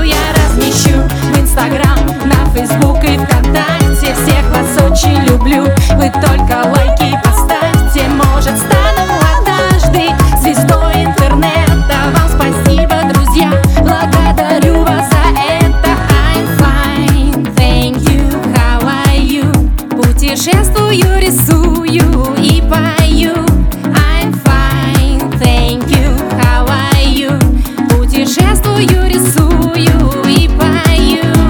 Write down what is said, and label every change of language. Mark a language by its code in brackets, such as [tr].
[ru] Я размещу в Инстаграм, на Фейсбук и ВКонтакте. Всех вас очень люблю, вы только лайки поставьте. Может, стану однажды звездой интернета. Вам спасибо, друзья, благодарю вас за это. [en] I'm fine, thank you, how are you? [ru] Путешествую, рисую и пою. [en] I'm fine, thank you, how are you? [ru] Путешествую, рисую и пою.